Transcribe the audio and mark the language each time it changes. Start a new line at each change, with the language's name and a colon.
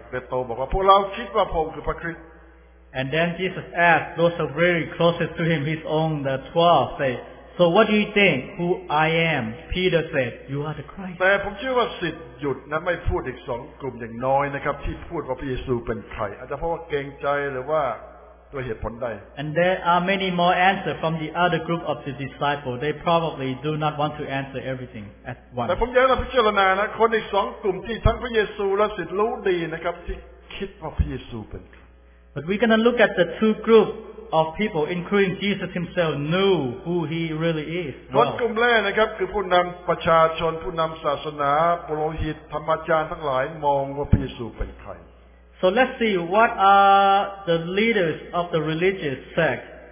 English: And then Jesus asked those who are very closest to him, his own, the 12, say,So what do you think? Who I am? Peter said, "You are the Christ."
Thai: แต่ผมเชื่อว่าสิทธิ์หยุดนะไม่พูดอีกสองกลุ่มอย่างน้อยนะครับที่พูดว่าพระเยซูเป็นใครอาจจะเพราะว่าเกรงใจหรือว่าด้วยเหตุผลใด
English: And there are many more answers from the other group of the disciples. They probably do not want to answer everything at once.
Thai: แต่ผมอยากให้เราพิจารณานะคนอีกสองกลุ่มที่ทั้งพระเยซูและสิทธิ์รู้ดีนะครับที่คิดว่าพระเยซูเป็นใคร
English: But we're gonna look at the two groups. Of people, including Jesus himself, knew who he really is. What
Thai: กลุ่มแรกนะครับคือผู้นำประชาชนผู้นำศาสนาปุโรหิตธรรมจารย์ทั้งหลายมองว่าพระเยซูเป็นใคร
English: So let's see what are the leaders of the religious sect.